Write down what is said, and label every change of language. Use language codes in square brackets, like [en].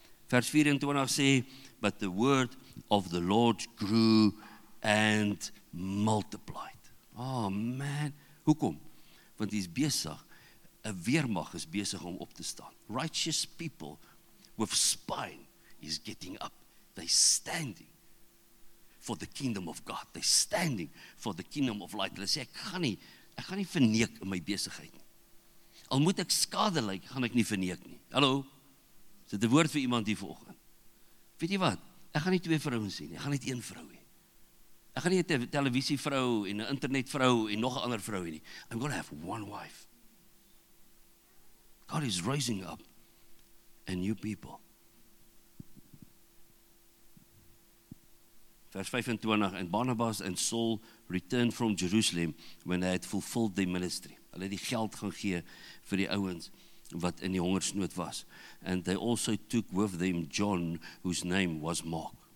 [af] Vers 24 sê, [en] but the word of the Lord grew and multiplied. [af] Oh man, hoekom? Want hy is besig, 'n weermag is besig om op te staan. [en] Righteous people with spine is getting up. They standing for the kingdom of God. They standing for the kingdom of light. [af] Hulle sê, ek gaan nie verneek in my besigheid nie. Al moet ek skade lyk, gaan ek nie verneek nie. Hallo? Is dit 'n woord vir iemand hier vanoggend? Weet jy wat? Ek gaan nie twee vrouens sien nie, ek gaan net een vrou hê. Ek gaan nie 'n televisievrou en 'n internetvrou en nog 'n ander vrou hê nie. [en] I'm going to have one wife. God is raising up a new people. Vers 25, and Barnabas and Saul returned from Jerusalem when they had fulfilled their ministry. [af] Hulle het die geld gaan gee vir die ouens wat in die hongersnood was. [en] And they also took with them John, whose name was Mark.